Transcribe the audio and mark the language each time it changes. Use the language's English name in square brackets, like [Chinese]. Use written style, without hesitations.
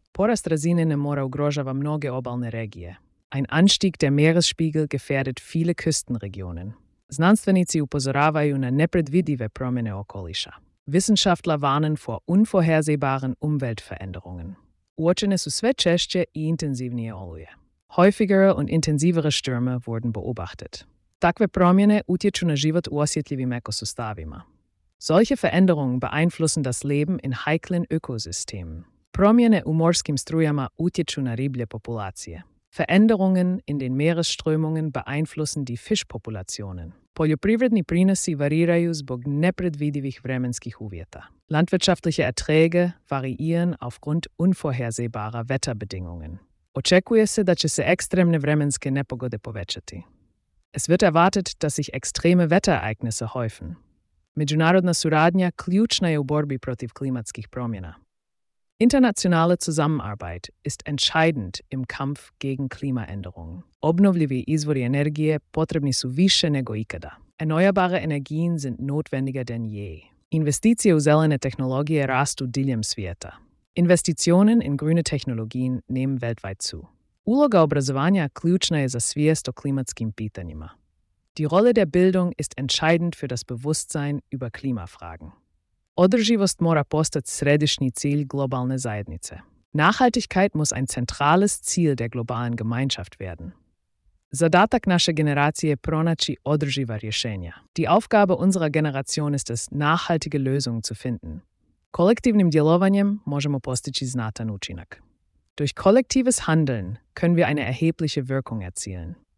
[Croatian] Porast razine mora ugrožava mnoge obalne regije. [German] Ein Anstieg der Meeresspiegel gefährdet viele Küstenregionen. [Croatian] Znanstvenici upozoravaju na nepredvidive promjene okoliša. Wissenschaftler warnen vor unvorhersehbaren Umweltveränderungen. Uočene su sve češće i intenzivnije oluje. [German] Häufigere und intensivere Stürme wurden beobachtet. [Croatian] Takve promjene utječu na život u osjetljivim ekosustavima. [German] Solche Veränderungen beeinflussen das Leben in heiklen Ökosystemen. [Croatian] Promjene u morskim strujama utječu na riblje populacije. [German] Veränderungen in den Meeresströmungen beeinflussen die Fischpopulationen. [Croatian] Poljoprivredni prinosi variraju zbog nepredvidivih vremenskih uvjeta. [German] Landwirtschaftliche Erträge variieren aufgrund unvorhersehbarer Wetterbedingungen. [Croatian] Očekuje se da će se ekstremne vremenske nepogode povećati. [German] Es wird erwartet, dass sich extreme Wetterereignisse häufen. [Croatian] Međunarodna suradnja ključna je u borbi protiv klimatskih promjena. [German] Internationale Zusammenarbeit ist entscheidend im Kampf gegen Klimaänderungen. [Croatian] Obnovljivi izvori energije potrebni su više nego ikada. Erneuerbare Energien sind notwendiger denn je. Investicije u zelene tehnologije rastu diljem svijeta. [German] Investitionen in grüne Technologien nehmen weltweit zu. [Croatian] Uloga obrazovanja ključna je za svijest o klimatskim pitanjima. [German] Die Rolle der Bildung ist entscheidend für das Bewusstsein über Klimafragen. [Croatian] Održivost mora postati središnji cilj globalne zajednice. [German] Nachhaltigkeit muss ein zentrales Ziel der globalen Gemeinschaft werden. [Croatian] Zadatak naše generacije je pronaći održiva rješenja. [German] Die Aufgabe unserer Generation ist es, nachhaltige Lösungen zu finden. [Croatian] Kolektivnim djelovanjem možemo postići znatan učinak. [German] Durch kollektives Handeln können wir eine erhebliche Wirkung erzielen.